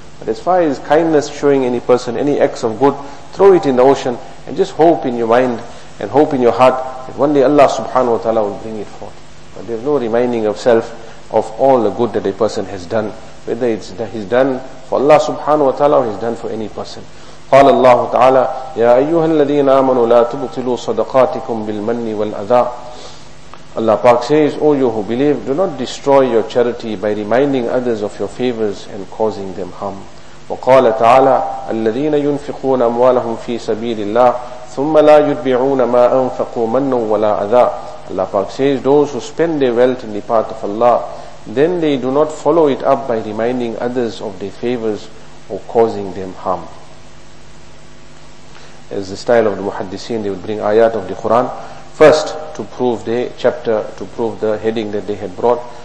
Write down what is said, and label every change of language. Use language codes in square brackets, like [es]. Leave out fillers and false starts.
[en] But as far as kindness, showing any person any acts of good, throw it in the ocean and just hope in your mind and hope in your heart that one day Allah [ar] subhanahu wa ta'ala [en] will bring it forth. But there's no reminding of self of all the good that a person has done, whether it's he's done for Allah [ar] subhanahu wa ta'ala [en] or he's done for any person. [ar] قال الله تعالى يا أيها الذين آمنوا لا تبطلوا صدقاتكم بالمن والأذى. [en] Allah Pak says, O you who believe, do not destroy your charity by reminding others of your favors and causing them harm. [ar] وقال تعالى الذين ينفقون أموالهم في سبيل الله ثم لا يتبعون ما أنفقوا منا ولا أذى. [en] Allah Pak says, those who spend their wealth in the path of Allah, then they do not follow it up by reminding others of their favors or causing them harm. As the style of the Muhaddiseen, they would bring ayat of the Quran first to prove the chapter, to prove the heading that they had brought.